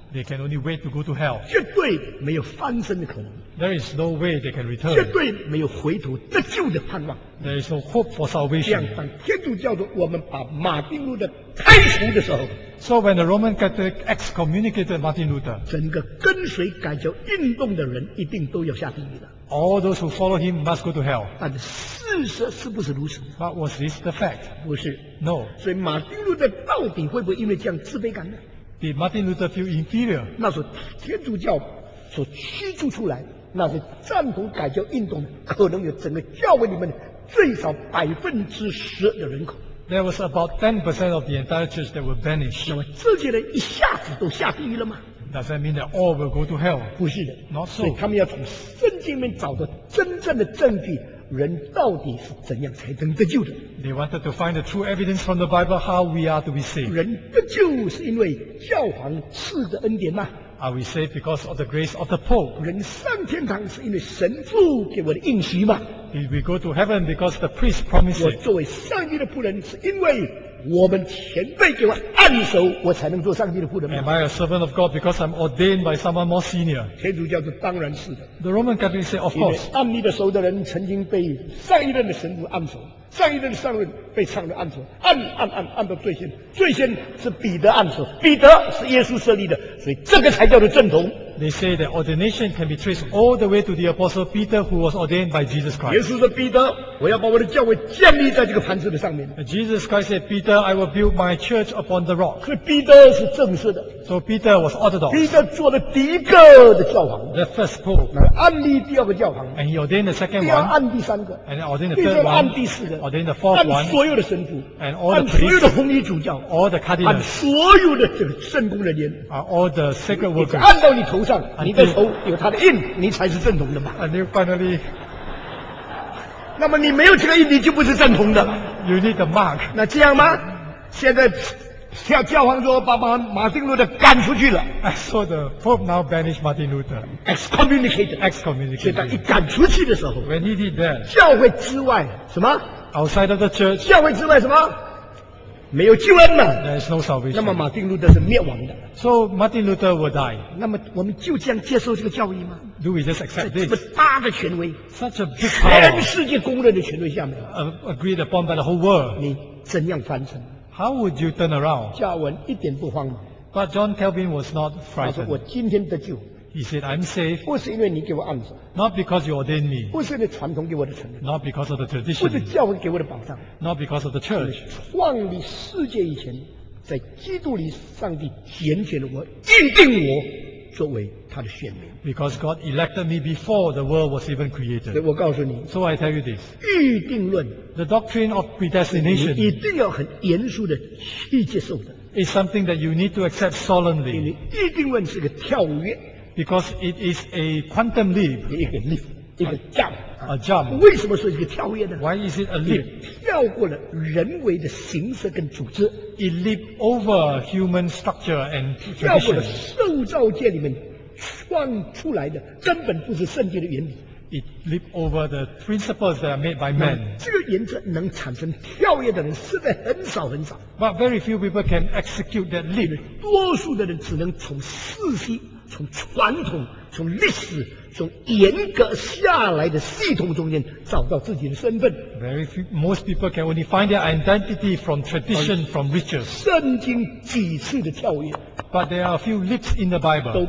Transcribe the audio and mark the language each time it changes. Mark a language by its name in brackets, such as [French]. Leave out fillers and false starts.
[English] They can only wait to go to hell. [Chinese] 绝对没有翻身的可能。 [English] There is no way they can return. [Chinese] 绝对没有回头得救的盼望。 [English] There is no hope for salvation. [Chinese] 这样，当天主教徒我们把马丁路德开除的时候 [English] ，So when the Roman Catholic excommunicated Martin Luther, [Chinese] 整个跟随改教运动的人一定都要下地狱的。 [English] All those who follow him must go to hell. [Chinese] 但事实是不是如此 [English] ？But was this the fact? [Chinese] 不是。 [English] No. [Chinese] 所以马丁路德到底会不会因为这样自卑感呢 [English] ？Did Martin Luther feel inferior? [Chinese] 那是天主教所驱逐出来，那是赞同改教运动，可能有整个教会里面最少10%的人口。 [English] There was about 10% of the entire church that were banished. [Chinese] 那么这些人一下子都下地狱了吗？ [English] Does that mean that all will go to hell? [Chinese] 不是的 [English] ，Not so. [Chinese] 所以他们要从圣经里面找到真正的证据，人到底是怎样才能得救的 [English] ？They wanted to find the true evidence from the Bible how we are to be saved. [Chinese] 人得救是因为教皇赐的恩典吗 [English] ？Are we saved because of the grace of the Pope? [Chinese] 人上天堂是因为神父给我的应许吗 [English] ？Did we go to heaven because the priest promised it? [Chinese] 我作为上帝的仆人是因为。我们前辈给我按手，我才能做上帝的仆人。 [English] Am I a servant of God because I'm ordained by someone more senior? [Chinese] 天主教是当然是的。 [English] The Roman Catholic said, of course. [Chinese] 按你的手的人曾经被上一任的神父按手，上一任的上任被上帝按手，按到最先，最先是彼得按手，彼得是耶稣设立的，所以这个才叫做正统。 [English] They say that ordination can be traced all the way to the apostle Peter who was ordained by Jesus Christ. [Chinese] 耶稣说彼得，我要把我的教会建立在这个磐石的上面。 [English] Jesus Christ said, Peter, I will build my church upon the rock. [Chinese] 所以彼得是正式的。 [English] So Peter was orthodox. [Chinese] 彼得做了第一个的教皇。 [English] The first pope. [Chinese] 然后按立第二个教皇。 [English] And he ordained the second one. [Chinese] 第二按第三个。 [English] And ordained the third one. [Chinese] 第三按第四个。 [English] Ordained the fourth one. [Chinese] 按所有的神父。 [English] And all the priests. [Chinese] 按所有的红衣主教。 [English] All the cardinals. [Chinese] 按所有的这个圣工人员。 All the sacred workers. 按到你头上。你的头有他的印，你才是正统的嘛。 [English] And then finally, [Chinese] 那么你没有这个印，你就不是正统的。 [English] You need the mark. [Chinese] 那这样吗？现在教皇说把马丁路德赶出去了。 [English] I saw the Pope now banished Martin Luther. Excommunicated. Excommunicated. [Chinese] 所以他一赶出去的时候 [English] ，When he did that, [Chinese] 教会之外什么 [English] ？Outside of the church. [Chinese] 教会之外什么？没有救恩嘛 [English] ？There is no salvation. [Chinese] 那么马丁路德是灭亡的。 [English] So Martin Luther will die. [Chinese] 那么我们就这样接受这个教义吗 [English] ？Do we just accept this? [Chinese] 这么大的权威 [English] ，such a big power， [Chinese] 全世界公认的权威下面 [English] ，agreed upon by the whole world. [Chinese] 你怎样翻身 [English] ？How would you turn around? [Chinese] 加文一点不慌忙。 [English] But John Calvin was not frightened. [Chinese] 他说我今天得救。 [English] He said, "I'm safe." [Chinese] 不是因为你给我按手。 [English] Not because you ordained me. [Chinese] 不是因为传统给我的承认。 [English] Not because of the tradition. [Chinese] 不是教会给我的保障。 [English] Not because of the church. [Chinese] 创立世界以前，在基督里，上帝拣选了我，认定我作为他的选民。 [English] Because God elected me before the world was even created. [Chinese] 所以我告诉你。 [English] So I tell you this. [Chinese] 预定论。 [English] The doctrine of predestination. [Chinese] 一定要很严肃的去接受的。 [English] Is something that you need to accept solemnly. [Chinese] 因为预定论是个跳跃。 [English] Because it is a quantum leap, [Chinese] 一个 leap, 一个 jump, [English] a jump. [Chinese] 为什么是一个跳跃呢 [English] ？Why is it a leap? [Chinese] 跳过了人为的形式跟组织。 [English] It leap over human structure and tradition. [Chinese] 跳过了受造界里面创出来的，根本不是圣洁的原理。 [English] It leap over the principles that are made by man. [Chinese] 这个原则能产生跳跃的人实在很少很少。 [English] But very few people can execute that leap. [Chinese] 多数的人只能从事实。从传统、从历史、从严格下来的系统中间找到自己的身份。 [English] Very few, most people can only find their identity from tradition, from rituals. [Chinese] 圣经几次的跳跃。 [English] But there are a few leaps in the Bible.